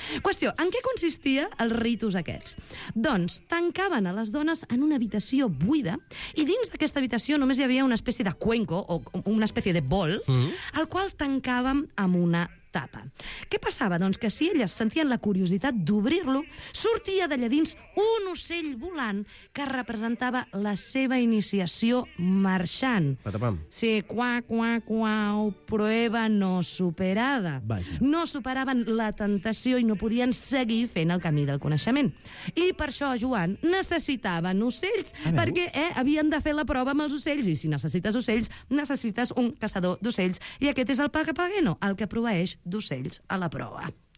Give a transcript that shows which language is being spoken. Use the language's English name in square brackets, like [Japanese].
[Catalan] Qüestió, en què consistia els ritus aquests? Doncs, tancaven a les dones en una habitació buida i dins d'aquesta habitació només hi havia una espècie de cuenco o una espècie de bol, el qual tancàvem amb una tapa. Què passava? Doncs que si elles sentien la curiositat d'obrir-lo, sortia d'allà dins un ocell volant que representava la seva iniciació marxant. Patapam. [Spanish] Sí, cuau, prueba no superada. [Catalan] Vaja. No superaven la temptació i no podien seguir fent el camí del coneixement. I per això, Joan, necessitaven ocells, perquè havien de fer la prova amb els ocells, i si necessites ocells, necessites un caçador d'ocells, i aquest és el Papageno, el que proveeix d'ocells a la prova.